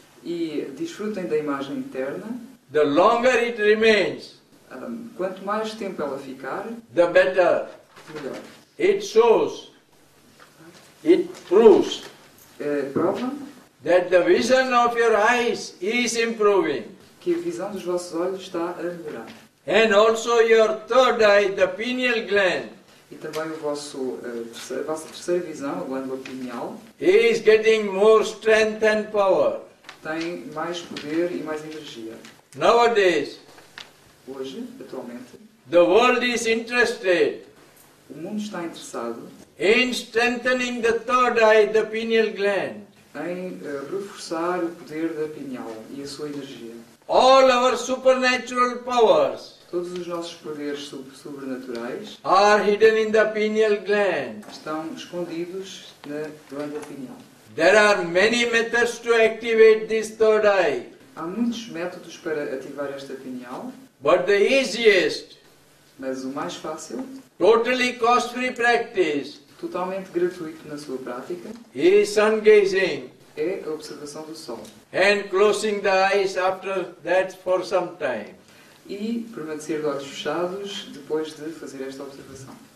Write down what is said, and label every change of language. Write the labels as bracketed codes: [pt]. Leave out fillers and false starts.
[pt] E desfrutem da imagem interna. [en] The longer it remains. [pt] Quanto mais tempo ela ficar, [en] the better. [pt] Melhor. [en] It shows, it proves, [pt] prova, [en] that the vision of your eyes is improving. [pt] Que a visão dos vossos olhos está a melhorar. [en] And also your third eye, the pineal gland. [pt] E também a vossa terceira visão, a glândula pineal, [en] is getting more strength and power. [pt] Tem mais poder e mais energia. [en] Nowadays. [pt] Hoje, atualmente, [en] the world is interested. [pt] O mundo está interessado [en] in strengthening the third eye, the pineal gland. [pt] Em reforçar o poder da pineal e a sua energia. [en] All our supernatural powers. [pt] Todos os nossos poderes sobrenaturais [en] are hidden in the pineal gland. [pt] Estão escondidos na glândula pineal. [en] There are many methods to activate this third eye. [pt] Há muitos métodos para ativar esta pineal. [en] But the easiest, [pt] mas o mais fácil, [en] totally cost-free practice, [pt] totalmente gratuito na sua prática, [en] is sun gazing, [pt] é a observação do sol, [en] and closing the eyes after that for some time, [pt] e permanecer de olhos fechados depois de fazer esta observação.